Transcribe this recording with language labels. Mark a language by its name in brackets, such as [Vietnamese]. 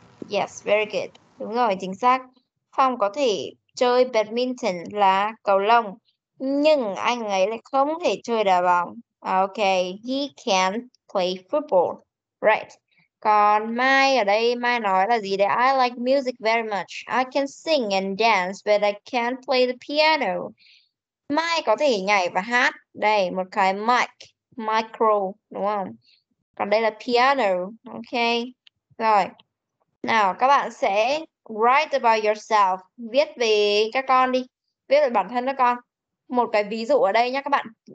[English] Yes, very good. [Vietnamese] Đúng rồi, chính xác. Phong có thể chơi badminton là cầu lông, nhưng anh ấy lại không thể chơi đá bóng. [English] Ok, he can't play football. Right. [Vietnamese] Còn Mai ở đây, Mai nói là gì đấy? [English] I like music very much. I can sing and dance, but I can't play the piano. [Vietnamese] Mai có thể nhảy và hát. Đây, một cái mic, micro, đúng không? Còn đây là piano, ok. Rồi, nào các bạn sẽ [English] write about yourself. [Vietnamese] Viết về các con đi, viết về bản thân các con. Một cái ví dụ ở đây nhé các bạn.